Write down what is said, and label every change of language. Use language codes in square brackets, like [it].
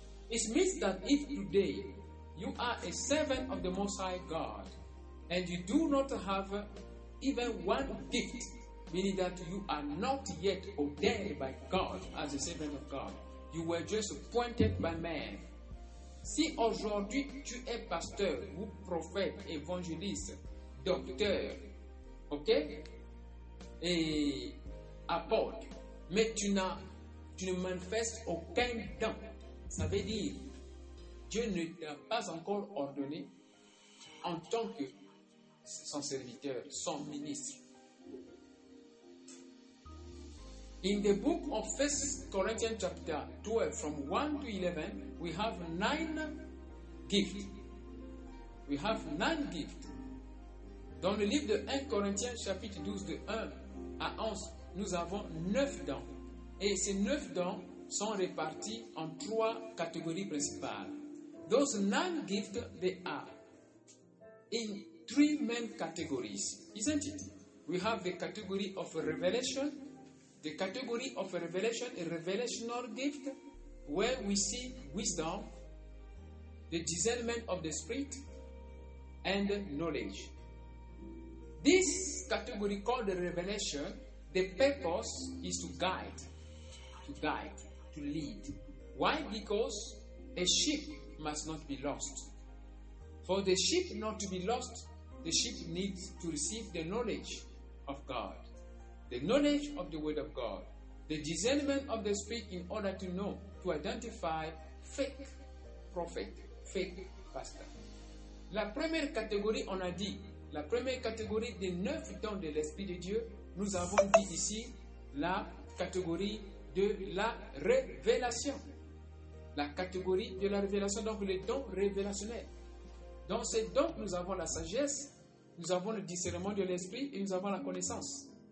[en] It means that if today you are a servant of the Most High God and you do not have even one gift, meaning that you are not yet ordained by God as a servant of God, you were just appointed by man. [fr] Si aujourd'hui tu es pasteur ou prophète, évangéliste, docteur, ok, et apôtre, mais tu ne manifestes aucun don, ça veut dire Dieu ne t'a pas encore ordonné en tant que son serviteur, son ministre. [en] In the book of 1 Corinthians chapter 12, from 1 to 11, we have 9 gifts. We have 9 gifts. [fr] Dans le livre de 1 Corinthians chapitre 12, de 1 à 11, nous avons 9 dons. Et ces 9 dons sont répartis en 3 catégories principales. [en] Those 9 gifts, they are in 3 main categories, isn't it? We have the category of revelation. The category of revelation, a revelational gift, where we see wisdom, the discernment of the spirit, and knowledge. This category called the revelation, the purpose is to guide, to lead. Why? Because a sheep must not be lost. For the sheep not to be lost, the sheep needs to receive the knowledge of God. The knowledge of the Word of God, the discernment of the Spirit in order to know, to identify fake prophet, fake pastor. [fr] La première catégorie, on a dit, la première catégorie des 9 dons de l'Esprit de Dieu, nous avons dit ici la catégorie de la révélation. La catégorie de la révélation, donc les dons révélationnels. Dans ces dons, nous avons la sagesse, nous avons le discernement de l'Esprit et nous avons la connaissance.